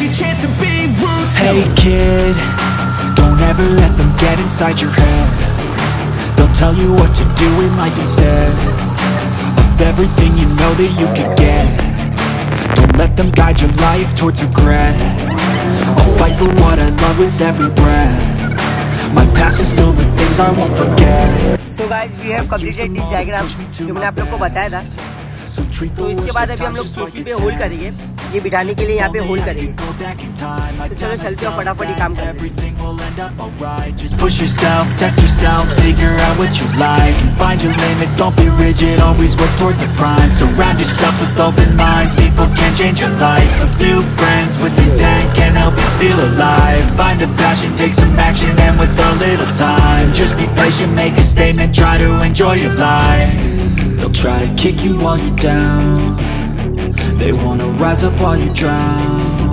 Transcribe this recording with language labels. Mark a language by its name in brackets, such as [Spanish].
[English] Hey kid, don't ever let them get inside your head They'll tell you what to do in life instead Of everything you know that you could get Don't let them guide your life towards regret I'll fight for what I love with every breath My past is filled with things I won't forget So guys, we have completed this diagram [Hindi] जो मैंने आप लोग को बताया था तो इसके बाद अभी हम लोग केसी पे होल्ड करेंगे ये बिठाने के लिए यहाँ पे होल्ड करेंगे तो चलो चलते हैं फटाफट ही काम करते हैं [English] Just push yourself, test yourself, figure out what you like And find your limits, don't be rigid, always work towards a prime Surround yourself with open minds, people can change your life A few friends with intent can help you feel alive Find a passion, take some action, and with a little time Just be patient, make a statement, try to enjoy your life They'll try to kick you while you're down They wanna rise up while you drown